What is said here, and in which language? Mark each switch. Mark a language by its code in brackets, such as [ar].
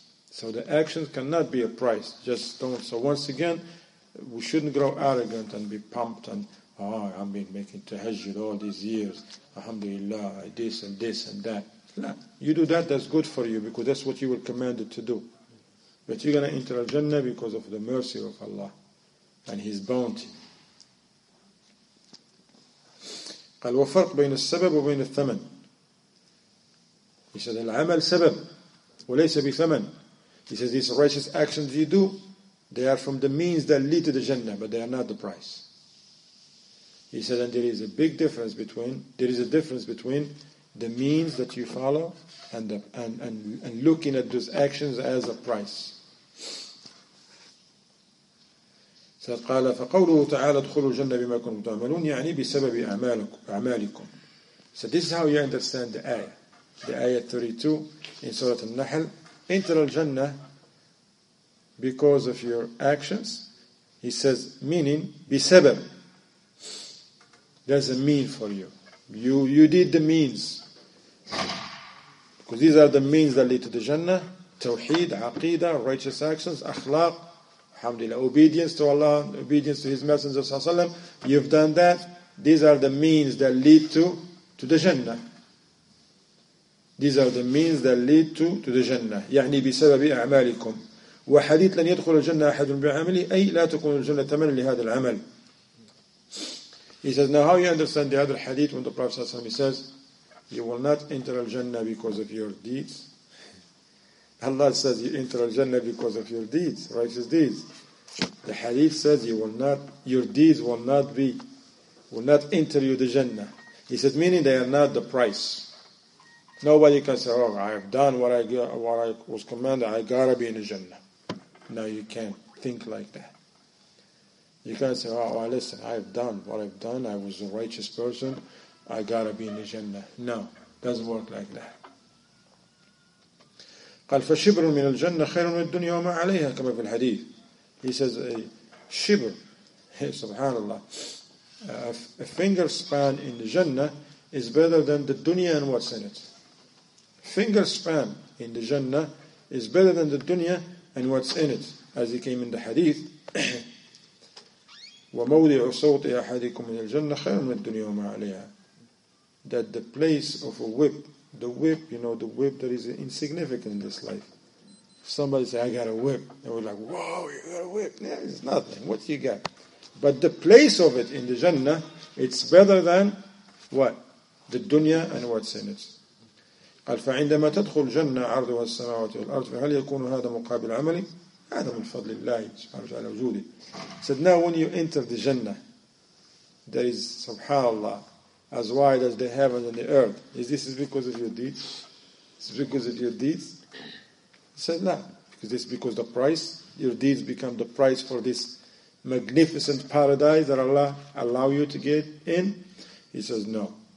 [en] So the actions cannot be a price. Just don't. So once again, we shouldn't grow arrogant and be pumped and, oh, I've been making tahajjud all these years, alhamdulillah, this and this and that. No. You do that, that's good for you because that's what you were commanded to do. But you're going to enter al-Jannah because of the mercy of Allah and His bounty. [ar] قال وفرق بين السبب وبين الثمن. [en] He said, [ar] العمل سبب وليس بثمن. [en] He says, these righteous actions you do, they are from the means that lead to the Jannah, but they are not the price. He said, and there is a difference between the means that you follow and looking at those actions as a price. [ar] So قال فقوله تعالى ادخلوا الجنة بما كنتم تعملون يعني بسبب أعمالكم. [en] So this is how you understand the ayah 32 in Surah An-Nahl. Enter al-Jannah because of your actions. He says, meaning بسبب. There's a mean for you. You did the means. Because these are the means that lead to the Jannah. Tawheed, Aqeedah, righteous actions, Akhlaq, Alhamdulillah, obedience to Allah, obedience to His Messenger, Sallallahu Alaihi Wasallam. You've done that. These are the means that lead to the Jannah. These are the means that lead to the Jannah. [ar] يعني بسبب أعمالكم. وحديث لن يدخل الجنة أحد بعملي أي لا تكون الجنة ثمنا لهذا العمل. [en] He says, now how you understand the other hadith when the Prophet Sallallahu Alaihi Wasallam says, you will not enter al-Jannah because of your deeds. Allah says, you enter al-Jannah because of your deeds, righteous deeds. The hadith says, your deeds will not enter you the Jannah. He says, meaning they are not the price. Nobody can say, oh, I have done what I was commanded, I gotta be in the Jannah. No, you can't think like that. You can't say, oh, listen, I've done what I've done. I was a righteous person. I got to be in the Jannah. No, doesn't work like that. [ar] قال فشبر من الجنة خير من الدنيا وما عليها كما في الحديث. [en] He says, شبر, subhanAllah, a finger span in the Jannah is better than the dunya and what's in it. Finger span in the Jannah is better than the dunya and what's in it. As he came in the hadith, [ar] وموضع صوت أحدكم من الجنة خير من الدنيا وما عليها. [en] That the place of a whip, the whip, you know, the whip that is insignificant in this life. Somebody say, I got a whip. They were like, whoa, you got a whip. Yeah, it's nothing. What you got? But the place of it in the Jannah, it's better than what? The dunya and what's in it. [ar] قال فعندما تدخل الجنة عرضها السماوات والأرض فهل يكون هذا مقابل عملي؟ هذا من فضل الله سبحانه وتعالى وجوده. [en] Said, now when you enter the Jannah, that is, subhanAllah, as wide as the heavens and the earth, is this because of your deeds? It's because of your deeds? He said, no. Is this because the price? Your deeds become the price for this magnificent paradise that Allah allow you to get in? He says, no.